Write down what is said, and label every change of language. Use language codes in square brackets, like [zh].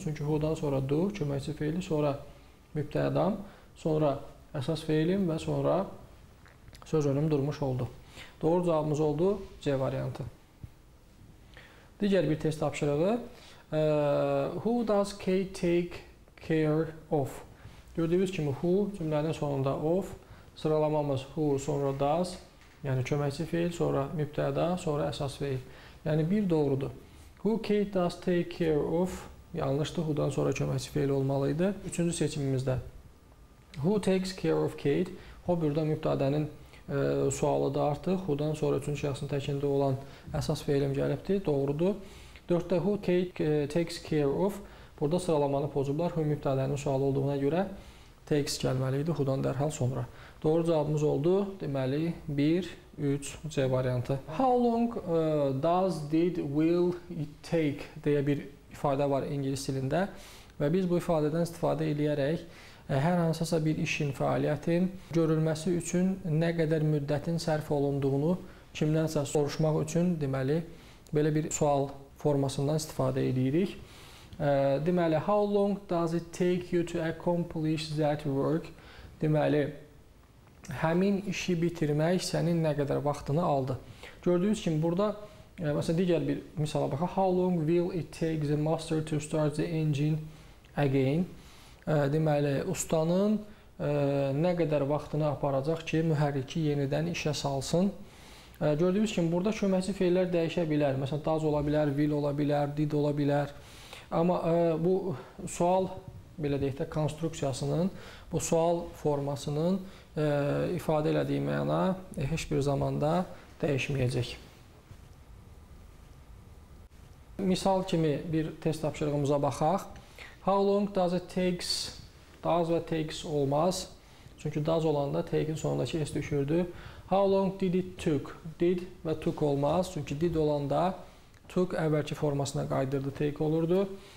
[az] Çünki who'dan sonra do köməkçi feili, sonra mübtədam, sonra əsas feilim və sonra söz önüm durmuş oldu. Doğru cavabımız oldu C variantı. Digər bir test tapşırığı. [en] Who does Kate take care of? [az] Gördüyünüz kimi who cümlənin sonunda of. Sıralamamız who sonra does. Yəni köməkçi feil, sonra mübtəda, sonra əsas feil. Yəni bir doğrudur. [en] Who Kate does take care of? [az] Yanlışdır. Who'dan sonra köməkçi feil olmalıydı. Üçüncü seçimimizdə. [en] Who takes care of Kate? [az] O burada mübtədənin sualı da artıq. Who'dan sonra üçüncü şəxsin təkində olan əsas feilim gəlibdir. Doğrudur. Dördə [en] who Kate takes care of? [az] Burada sıralamanı pozublar. Who mübtədənin sualı olduğuna görə takes gəlməliydi. Who'dan dərhal sonra. Doğru cavabımız oldu. Deməli 1, 3 C variantı. [en] How long does, did, will it take? [az] Deyə bir ifadə var ingilis dilində. Və biz bu ifadədən istifadə edərək hər hansısa bir işin, fəaliyyətin görülməsi üçün nə qədər müddətin sərf olunduğunu kimdənsə soruşmaq üçün deməli belə bir sual formasından istifadə edirik. [en] Deməli, how long does it take you to accomplish that work? [az] Deməli, həmin işi bitirmək sənin nə qədər vaxtını aldı? Gördüyünüz kimi burada, məsələn, digər bir misala baxaq. [en] How long will it take the master to start the engine again? [az] Deməli, ustanın nə qədər vaxtını aparacaq ki, mühərriki yenidən işə salsın? Gördüyünüz kimi burada köməkçi feillər dəyişə bilər. Məsələn, does ola bilər, will ola bilər, did ola bilər. Amma bu sual, belə deyək də, konstruksiyasının, bu sual formasının ifadə elədiyi məna heç bir zamanda dəyişməyəcək. Misal kimi bir test tapşırığımıza baxaq. [en] How long does it takes? [az] Does və takes olmaz. Çünki does olanda take-in sonundakı s düşürdü. [en] How long did it took? [az] Did və took olmaz. Çünki did olanda took əvvəlki formasına qayıdırdı, take olurdu.